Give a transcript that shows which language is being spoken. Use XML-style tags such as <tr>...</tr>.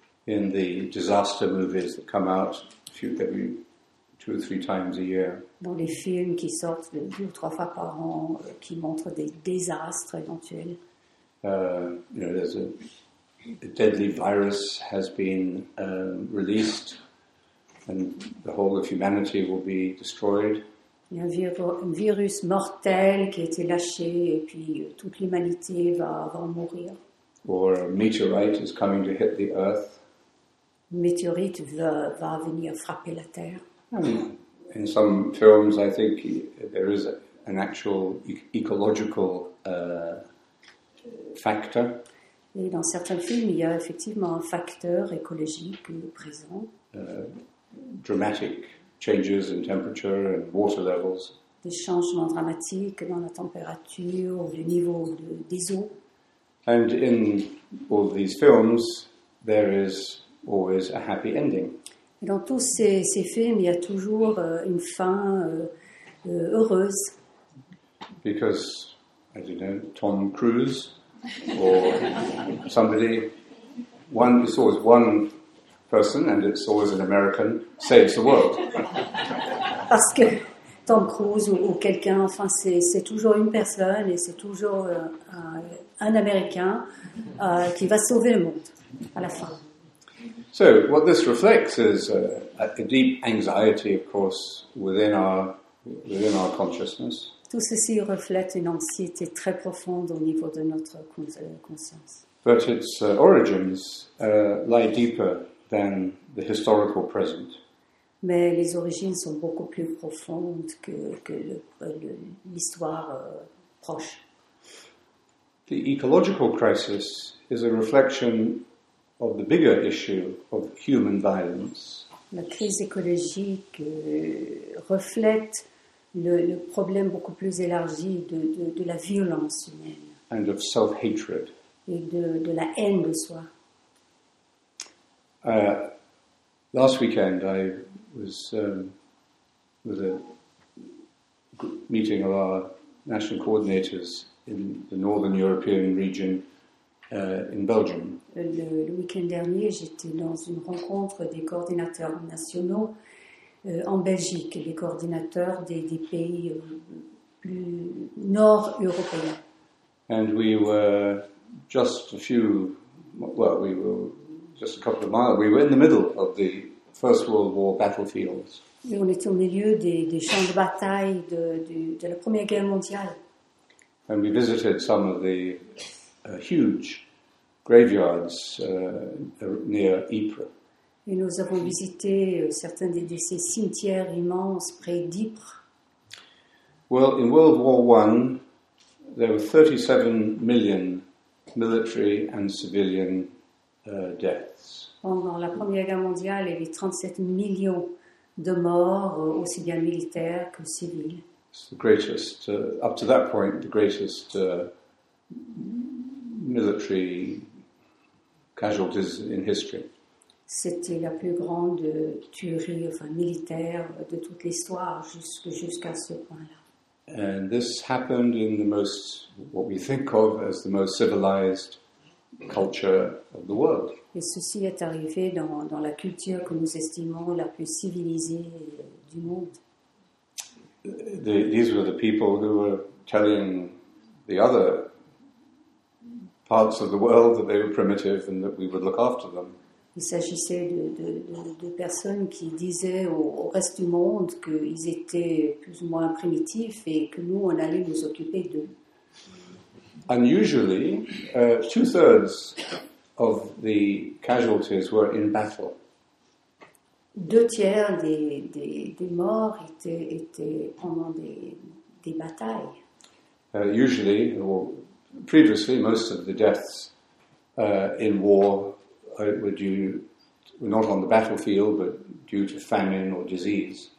<en>In the disaster movies that come out two or three times a year.</en> <fr>Dans les films qui sortent deux ou trois fois par an, qui montrent des désastres éventuels.</fr> <en>There's a deadly virus has been released, and the whole of humanity will be destroyed.</en> <fr>Il y a un virus mortel qui a été lâché, et puis toute l'humanité va mourir.</fr> <en>Or a meteorite is coming to hit the earth.</en> <fr>Météorite va venir frapper la Terre.</fr> <en>In some films, I think there is an actual ecological factor.</en> <fr>Et dans certains films, il y a effectivement un facteur écologique présent.</fr> <en>Dramatic changes in temperature and water levels.</en> <fr>Des changements dramatiques dans la température, le niveau des eaux.</fr> <en>And in all these films, there is always a happy ending.</en> <fr>Et dans tous ces films, il y a toujours une fin heureuse.</fr> <en>Because, I don't know, Tom Cruise or somebody, one, it's always one person, and it's always an American, saves the world.</en> <fr>Parce que Tom Cruise ou quelqu'un, enfin, c'est toujours une personne et c'est toujours un Américain qui va sauver le monde à la fin.</fr> <en>So what this reflects is a deep anxiety, of course, within our consciousness.</en> <fr>Tout ceci reflète une anxiété très profonde au niveau de notre conscience.</fr> <en>But its origins lie deeper than the historical present.</en> <fr>Mais les origines sont beaucoup plus profondes que l'histoire proche.</fr> <en>The ecological crisis is a reflection of the bigger issue of human violence.</en> <fr>La crise écologique reflète le problème beaucoup plus élargi de la violence humaine.</fr> <en>And of self-hatred.</en> <fr>Et de la haine de soi.</fr> <en>Last weekend, I was with a meeting of our national coordinators in the Northern European region. In Belgium.</en> <fr>Le week-end dernier, j'étais dans une rencontre des coordinateurs nationaux en Belgique, les coordinateurs des pays plus nord-européens.</fr> <en>And we were just a few, well, we were just a couple of miles, we were in the middle of the First World War battlefields.</en> <fr>Et on était au milieu des champs de bataille de la Première Guerre mondiale.</fr> <en>And we visited some of the huge graveyards near Ypres.</en> <fr>Et nous avons visité certains de ces cimetières immenses près d'Ypres.</fr> <en>Well, in World War One, there were 37 million military and civilian deaths.</en> <fr>Pendant la Première Guerre mondiale, il y avait 37 millions de morts, aussi bien militaires que civils.</fr> <en>It's the greatest, up to that point, the greatest military casualties in history.</en> <fr>C'était la plus grande tuerie, enfin militaire, de toute l'histoire jusqu'à ce point-là.</fr> <en>And this happened in the most, what we think of as the most civilized culture of the world.</en> <fr>Et ceci est arrivé dans la culture que nous estimons la plus civilisée du monde.</fr> <en>These were the people who were telling the other parts of the world that they were primitive and that we would look after them.</en> <fr>Il s'agissait de personnes qui disaient au reste du monde qu'ils étaient plus ou moins primitifs et que nous, on allait nous occuper d'eux.</fr> <en>Unusually, two-thirds of the casualties were in battle.</en> <fr>Deux tiers des morts étaient pendant des batailles.</fr> <en>Usually, or previously, most of the deaths in war were not on the battlefield, but due to famine or disease.</en>